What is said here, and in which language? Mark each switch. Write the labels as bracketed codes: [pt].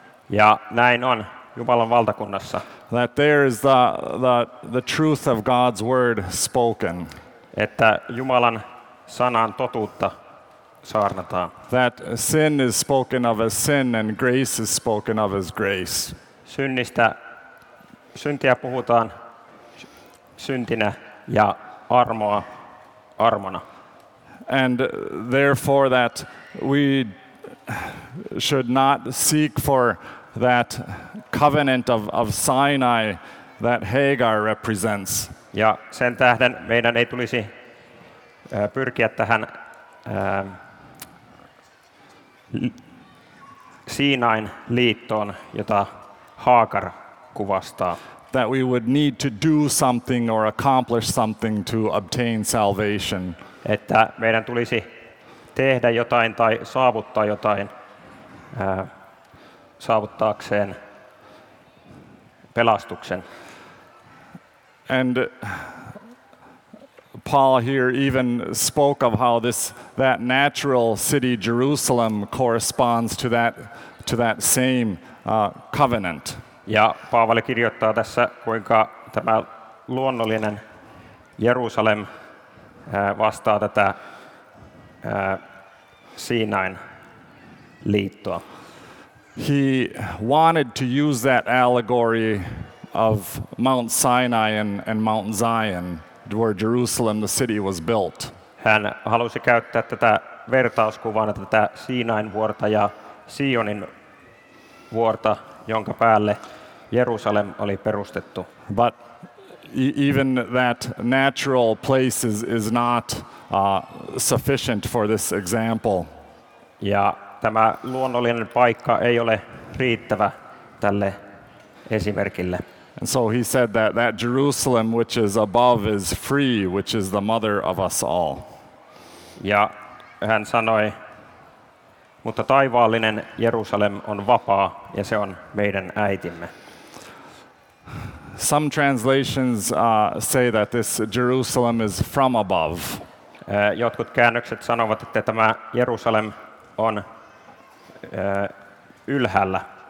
[fi] Ja näin on Jumalan valtakunnassa. [en] That there is the truth of God's word spoken. [fi] Että Jumalan sanan totuutta saarnataan. [en] That sin is spoken of as sin and grace is spoken of as grace. [fi] Syntiä puhutaan syntinä ja armoa armona. [en] And therefore that we should not seek for that covenant of Sinai that Hagar represents. [fi] Ja sen tähden meidän ei tulisi pyrkiä tähän Siinain liittoon, jota Hagar kuvastaa. [en] That we would need to do something or accomplish something to obtain salvation. [fi] Että meidän tulisi tehdä jotain tai saavuttaa jotain saavuttaakseen pelastuksen. [en] And Paul here even spoke of how that natural city Jerusalem corresponds to that same covenant. [fi] Ja Paavali kirjoittaa tässä, kuinka tämä luonnollinen Jerusalem vastaa tätä Siinain liittoa. [en] He wanted to use that allegory of Mount Sinai and Mount Zion, where Jerusalem, the city, was built. [fi] Hän halusi käyttää tätä vertauskuvaa, tätä Siinain vuorta ja Sionin vuorta, jonka päälle Jerusalem oli perustettu. [en] But even that natural place is not sufficient for this example. [fi] Ja tämä luonnollinen paikka ei ole riittävä tälle esimerkille. [en] And so he said that Jerusalem which is above is free, which is the mother of us all. [fi] Ja hän sanoi, mutta taivaallinen Jerusalem on vapaa ja se on meidän äitimme. [en] Some translations say that this Jerusalem is from above. [fi] Jotkut käännökset sanovat, että tämä Jerusalem on ylhäältä.